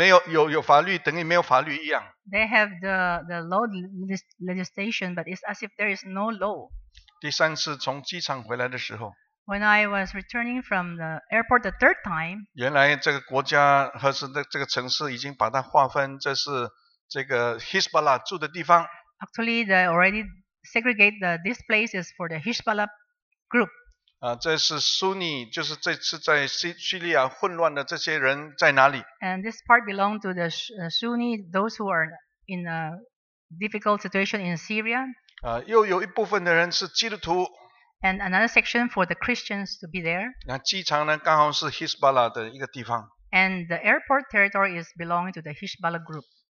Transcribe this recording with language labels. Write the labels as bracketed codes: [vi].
[zh] 有法律等于没有法律一样。 [en] They have the law legislation, but it's as if there is no law. [zh] 第三次从机场回来的时候, [en] When I was returning from the airport the third time, [zh] 原来这个国家和这个城市已经把它划分，这是这个 Hezbollah 住的地方。 [en] Actually, they already segregate this place is for the Hezbollah group. [zh] 这是苏尼，就是这次在叙利亚混乱的这些人在哪里？ [en] And this part belonged to the Sunni, those who are in a difficult situation in Syria. [zh] 又有一部分的人是基督徒。 [en] And another section for the Christians to be there. [zh] 那机场呢，刚好是 Hezbollah 的一个地方。 [en] And the airport territory is belonging to the Hezbollah group.